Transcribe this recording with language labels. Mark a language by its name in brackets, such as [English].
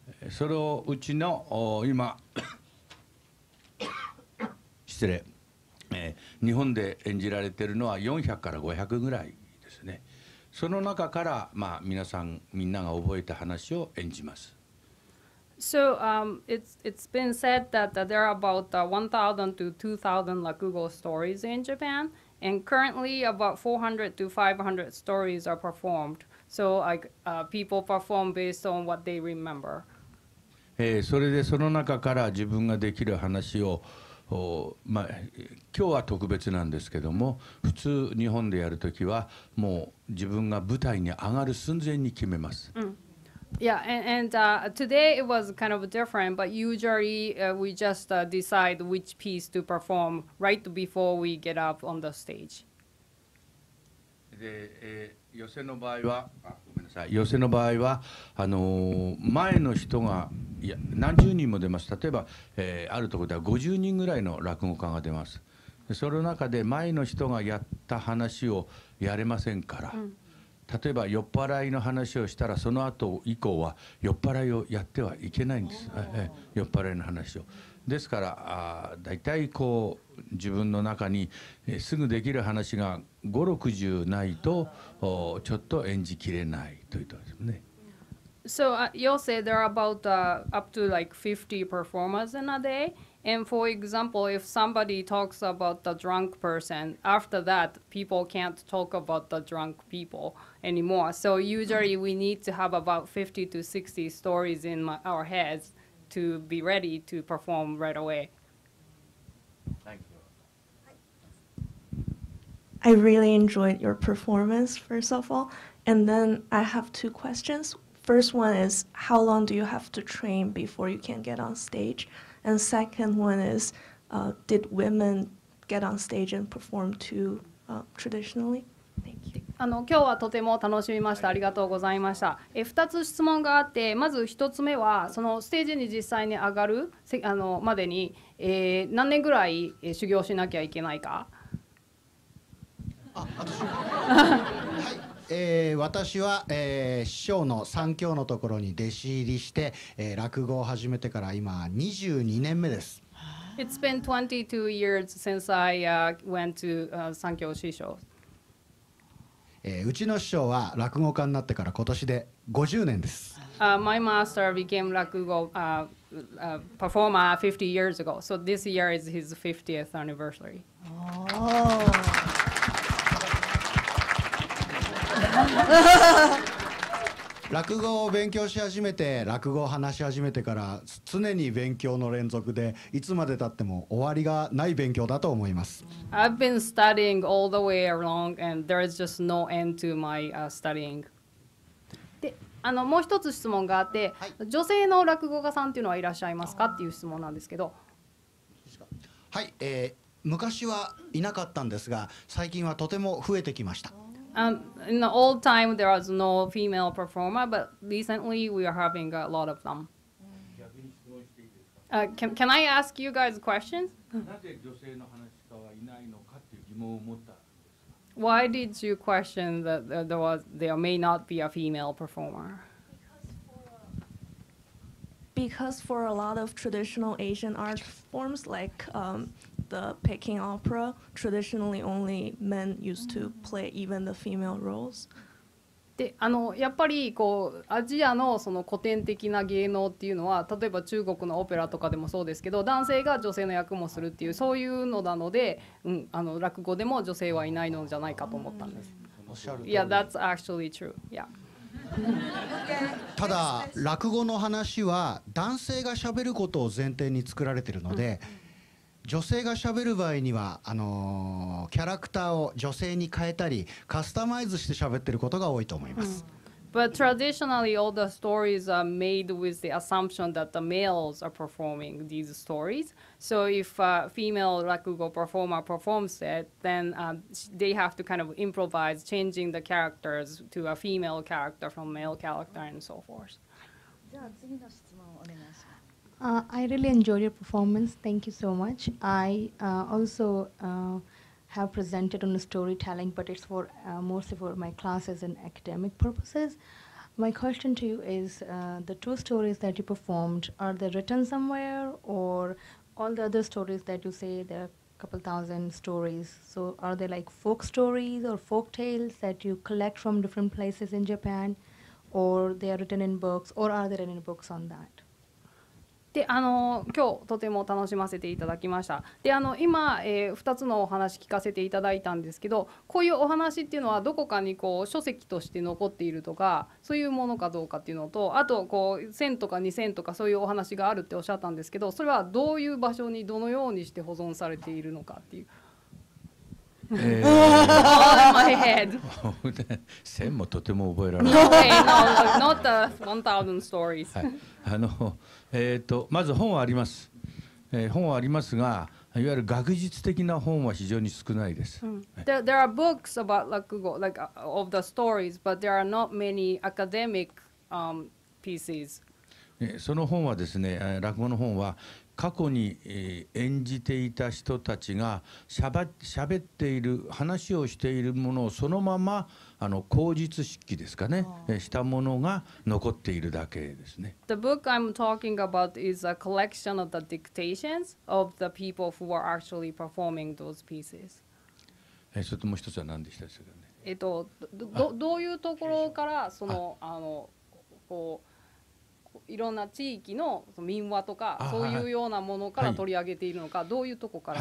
[Japanese] それをうちの今失礼、日本で演じられているのは400から500ぐらいですね。その中から、まあ、皆さんみんなが覚えた話を演じます。 [English] So it's been said that, there are about 1,000 to 2,000 Rakugo stories in Japan, and currently about 400 to 500 stories are performed. So people perform based on what they remember. [Japanese] それでその中から自分ができる話を、まあ、今日は特別なんですけども、普通日本でやるときはもう自分が舞台に上がる寸前に決めます。 [English] Yeah, and today it was kind of different, but usually we just decide which piece to perform right before we get up on the stage. [Japanese] で、寄席の場合は、ごめんなさい、寄席の場合は、前の人が、いや、何十人も出ます。例えば、あるところでは50人ぐらいの落語家が出ます。で、その中で前の人がやった話をやれませんから。うん、例えば酔っ払いの話をしたら、その後以降は酔っ払いをやってはいけないんです。酔っ払いの話を。ですから、だいたいこう自分の中にすぐできる話が5、60ないと、ちょっと演じきれないというところですね。 [English] So you'll say there are about up to like 50 performers in a day. And for example, if somebody talks about the drunk person, after that, people can't talk about the drunk people anymore. So usually we need to have about 50 to 60 stories in our heads to be ready to perform right away. Thank you. I really enjoyed your performance, first of all. And then I have two questions. First one is, how long do you have to train before you can get on stage? And second one is, did women get on stage and perform too traditionally? Thank you. [Japanese] 今日はとても楽しみました。ありがとうございました。2つ質問があって、まず1つ目はそのステージに実際に上がるまでに、何年ぐらい修行しなきゃいけないか。あ、私私は、師匠の三教のところに弟子入りして、落語を始めてから今22年目です。 [English] It's been 22 years since I went to 三教師匠。 [Japanese] うちの師匠は落語家になってから今年で50年です。 [English] My master became 落語 performer 50 years ago. So this year is his 50th anniversary. Oh. [Japanese] 落語を勉強し始めて、落語を話し始めてから常に勉強の連続で、いつまで経っても終わりがない勉強だと思います。 [English] I've been studying all the way along and there is just no end to my studying. [Japanese] もう一つ質問があって、はい、女性の落語家さんっていうのはいらっしゃいますかっていう質問なんですけど、はい、昔はいなかったんですが、最近はとても増えてきました。 [English] In the old time, there was no female performer, but recently we are having a lot of them. [Japanese] 逆に質問していいですか？ [English] Can I ask you guys questions? [Japanese] なぜ女性の話し家はいないのかっていう疑問を持った。 [English] Why did you question that there may not be a female performer? Because for a lot of traditional Asian art forms, like the Peking opera, traditionally only men used to play even the female roles. [Japanese] で、やっぱりこうアジアのその古典的な芸能っていうのは、例えば中国のオペラとかでもそうですけど、男性が女性の役もするっていう、そういうのなので、うん、落語でも女性はいないのじゃないかと思ったんです。おっしゃる。 [English] Yeah, that's actually true. Yeah. [Japanese] ただ落語の話は男性が喋ることを前提に作られているので、女性が喋る場合には、キャラクターを女性に変えたりカスタマイズして喋ってることが多いと思います。 [English] But traditionally all the stories are made with the assumption that the males are performing these stories. So if a female rakugo performer performs it, then they have to kind of improvise changing the characters to a female character from male character and so forth. [Japanese] じゃあ次の質問をお願いします。 [English] I really enjoyed your performance. Thank you so much. I also have presented on the storytelling, but it's for mostly for my classes and academic purposes. My question to you is, the two stories that you performed, are they written somewhere, or all the other stories that you say there are a couple thousand stories? So are they like folk stories or folk tales that you collect from different places in Japan, or they are written in books, or are there any books on that? [Japanese] で、今日とても楽しませていただきました。で、今、2つのお話聞かせていただいたんですけど、こういうお話っていうのはどこかにこう書籍として残っているとかそういうものかどうかっていうのと、あとこう1000とか2000とかそういうお話があるっておっしゃったんですけど、それはどういう場所にどのようにして保存されているのかっていう。 1000もとても覚えられ [English] ない。No way, no, not the 1000 stories. 、 [Japanese] はい、まず本はあります、本はありますが、いわゆる学術的な本は非常に少ないです。 [English] There are books about rakugo, like of the stories, but there are not many academic pieces. [Japanese] その本はですね、落語の本は過去に演じていた人たちがしゃべっている話をしているものをそのまま口述筆記ですかね、したものが残っているだけですね。 [English] The book I'm talking about is a collection of the dictations of the people who were actually performing those pieces. [Japanese] それともう一つは何でしたっけ、ね、どういうところからそのこういろんな地域の民話とかそういうようなものから取り上げているのか、はい、どういうとこから。